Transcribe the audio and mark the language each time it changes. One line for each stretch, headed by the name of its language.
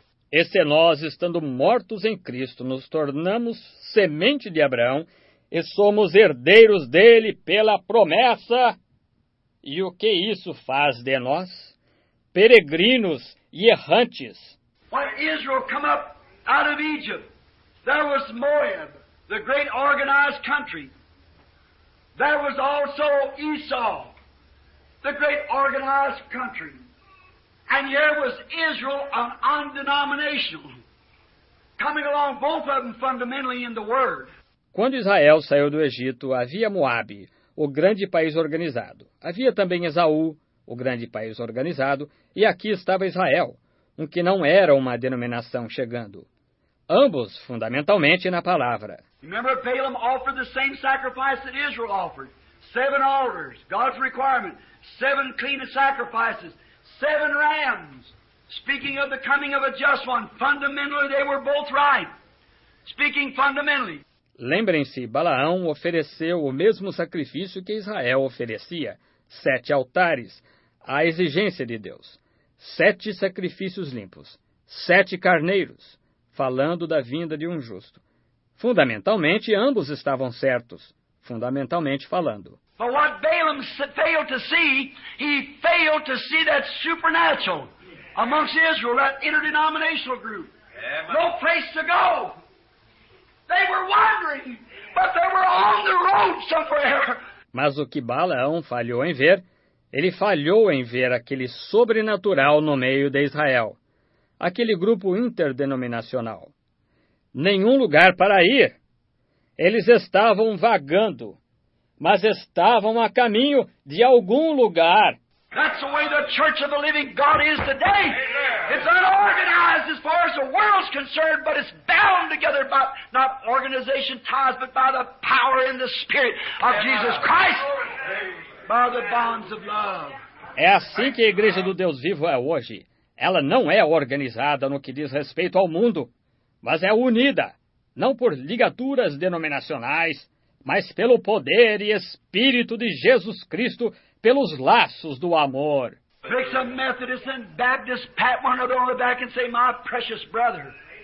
Portuguese: E se nós, estando mortos em Cristo, nos tornamos semente de Abraão e somos herdeiros dele pela promessa, e o que isso faz de nós? Peregrinos e errantes. Quando
English: Israel came up out of Egypt, there was Moab, the great organized country. There was also Esau, the great organized country. And here was Israel, an undenominational, coming along, both of them fundamentally in the Word.
Portuguese: Quando Israel saiu do Egito, havia Moab, o grande país organizado. Havia também Esaú, o grande país organizado. E aqui estava Israel, um que não era uma denominação chegando. Ambos, fundamentalmente, na palavra.
English: Remember, Balaam offered the same sacrifice that Israel offered. 7 altars, God's requirement, 7 clean sacrifices, 7 rams. Speaking of the coming of a just one, fundamentally they were both right. Speaking fundamentally.
Portuguese: Lembrem-se, Balaão ofereceu o mesmo sacrifício que Israel oferecia, 7 altares, à exigência de Deus, 7 sacrifícios limpos, 7 carneiros, falando da vinda de um justo. Fundamentalmente, ambos estavam certos, fundamentalmente falando.
English: But what Balaam failed to see, he failed to see that supernatural amongst Israel, that interdenominational group. No place to go. They were wandering, but they were on the road somewhere.
Portuguese: Mas o que Balaão falhou em ver, ele falhou em ver aquele sobrenatural no meio de Israel, aquele grupo interdenominacional. Nenhum lugar para ir. Eles estavam vagando, mas estavam a caminho de algum lugar.
English: That's the way the Church of the Living God is today. It's unorganized as far as the world's concerned, but it's bound together by not organization ties, but by the power and the Spirit of Jesus Christ, by the bonds of love.
Portuguese: É assim que a Igreja do Deus Vivo é hoje. Ela não é organizada no que diz respeito ao mundo, mas é unida, não por ligaduras denominacionais, mas pelo poder e Espírito de Jesus Cristo, pelos laços do amor.
English: Make some Methodist and Baptist pat one another on the back and say, my precious brother.